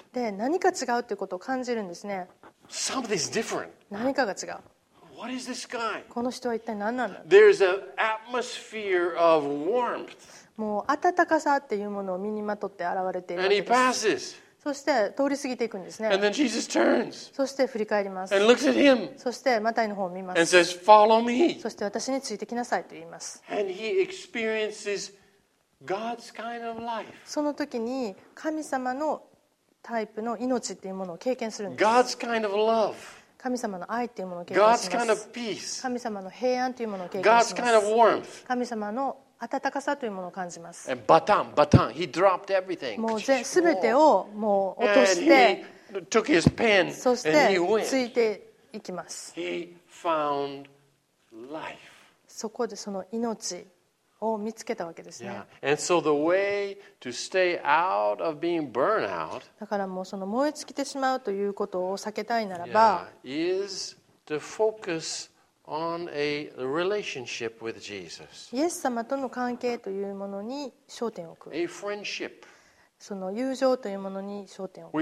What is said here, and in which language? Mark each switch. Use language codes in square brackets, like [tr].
[ja] で何か違うということを感じるんですね。 [en] Something's different. [ja] 何かが違う。 [en] What is this guy? [ja] この人は一体何なんだ? [en] There's an atmosphere of warmth. [ja] もう暖かさっていうものを身にまとって現れているわけです。 [en] And he passes. [ja] そして通り過ぎていくんですね。 [en] And then Jesus turns. [ja] そして振り返ります。 [en] And looks at him. [ja] そしてマタイの方を見ます。 [en] And says, follow me. [ja] そして私についてきなさいと言います。 [en] And he experiences God's kind of life. [ja] その時に神様のタイプの命っていうものを経験するんです。 [en] God's kind of love. [ja] 神様の愛っていうものを経験します。 [en] God's kind of peace. [ja] 神様の平安というものを経験します。 [en] God's kind of warmth. [ja] 神様の温かさというものを感じます。 [en] And batan, batan. He dropped everything. [ja] もう全てをもう落として、 [en] And he took his pen and he went. [ja] そしてついていきます。 [en] He found life. [ja] そこでその命を見つけたわけですね。 [en] Yeah. And so the way to stay out of being burnt out, [ja] だからもうその燃え尽きてしまうということを避けたいならば、 [en] yeah, is to focus on a relationship with Jesus. [ja] イエス様との関係というものに焦点を置く。 [en] A friendship. [ja] その友情というものに焦点を置く。